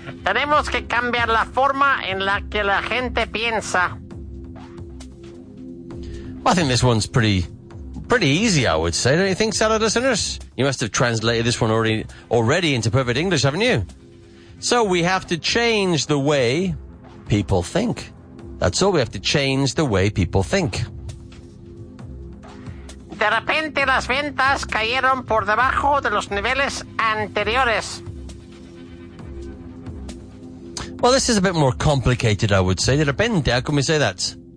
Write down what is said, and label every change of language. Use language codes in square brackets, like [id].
[es] Tenemos que cambiar la forma en la que la gente piensa. [en] Well, I think this one's pretty easy, I would say. Don't you think, salad listeners? You must have translated this one already into perfect English, haven't you? So we have to change the way people think. That's all. We have to change the way people think. [es] De repente las ventas cayeron por debajo de los niveles anteriores. [en] Well, this is a bit more complicated, I would say. [es] De repente, [en] how can we say that?